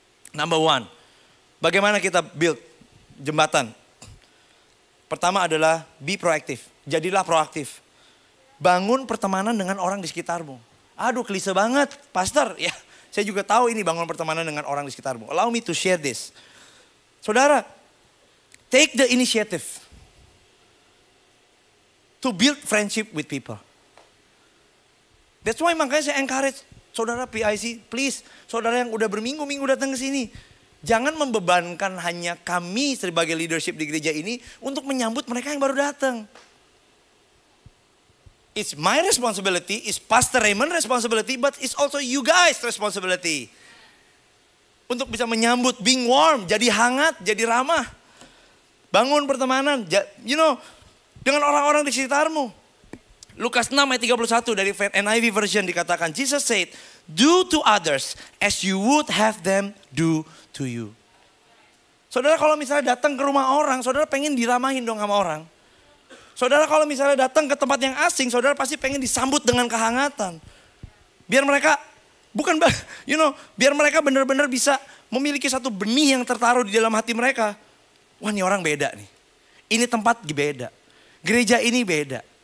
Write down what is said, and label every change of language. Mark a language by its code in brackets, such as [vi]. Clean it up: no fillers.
[en] Number one, [id] bagaimana kita build jembatan? Pertama adalah [en] be proactive. [id] Jadilah proaktif. Bangun pertemanan dengan orang di sekitarmu. Aduh, klise banget, pastor, ya. Saya juga tahu ini bangun pertemanan dengan orang di sekitarmu. [en] Allow me to share this. Saudara, take the initiative to build friendship with people. That's why [id] makanya saya encourage saudara PIC, please, saudara yang udah berminggu-minggu datang ke sini, jangan membebankan hanya kami sebagai leadership di gereja ini untuk menyambut mereka yang baru datang. [en] It's my responsibility, it's Pastor Raymond's responsibility, but it's also you guys' responsibility. [id] Untuk bisa menyambut, [en] being warm, [id] jadi hangat, jadi ramah. Bangun pertemanan, [en] you know, [id] dengan orang-orang di sekitarmu. Lukas 6 ayat 31 dari NIV version dikatakan, [en] Jesus said, do to others as you would have them do to you. [id] Saudara, kalau misalnya datang ke rumah orang, saudara pengen diramahin dong sama orang. Saudara, kalau misalnya datang ke tempat yang asing, saudara pasti pengen disambut dengan kehangatan. Biar mereka, bukan, [en] you know, [id] biar mereka benar-benar bisa memiliki satu benih yang tertaruh di dalam hati mereka. Wah, ini orang beda nih. Ini tempat beda. Gereja ini beda.